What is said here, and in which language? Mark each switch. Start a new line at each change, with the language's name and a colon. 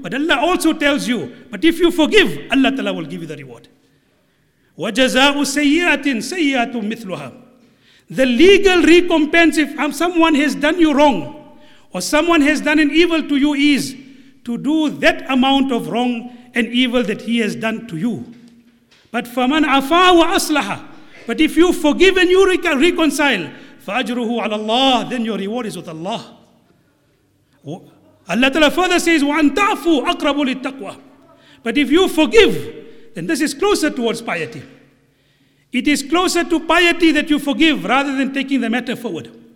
English: But Allah also tells you, but if you forgive, Allah Ta'ala will give you the reward.
Arabic: وَجَزَاءُ سَيِّئَةٍ سَيِّئَةٌ مِثْلُهَا.
English: The legal recompense if someone has done you wrong or someone has done an evil to you is to do that amount of wrong and evil that he has done to you. But
Arabic: فَمَنْ عَفَى وَأَصْلَحَ.
English: But if you forgive and you reconcile,
Arabic: فَأَجْرُهُ عَلَى اللَّهِ,
English: then your reward is with Allah. Allah Ta'ala further says,
Arabic: وَأَنْ تَعْفُوا أَقْرَبُ لِلتَّقْوَى.
English: But if you forgive, then this is closer towards piety. It is closer to piety that you forgive rather than taking the matter forward.